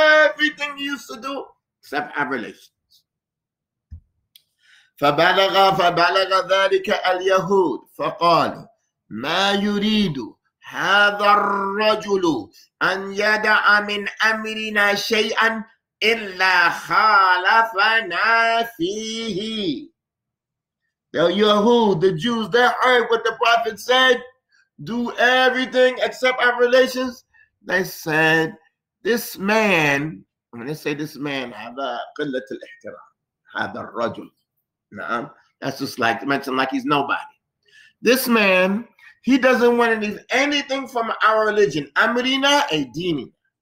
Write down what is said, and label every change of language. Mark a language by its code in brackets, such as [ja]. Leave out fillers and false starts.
[en] Everything you used to do except have relations. [ar] فبلغ ذلك اليهود فقالوا ما يريد هذا الرجل أن يدع من أمرنا شيئا إلا خالفنا فيه. [en] The Yahud, the Jews, they heard what the Prophet said. Do everything except our relations. They said, this man, when they say this man, [ar] هذا قلة الاحترام. هذا الرجل. نعم. [en] That's just like, mentioned like he's nobody. This man, he doesn't want to leave anything from our religion. [ar] Amrina, a dini.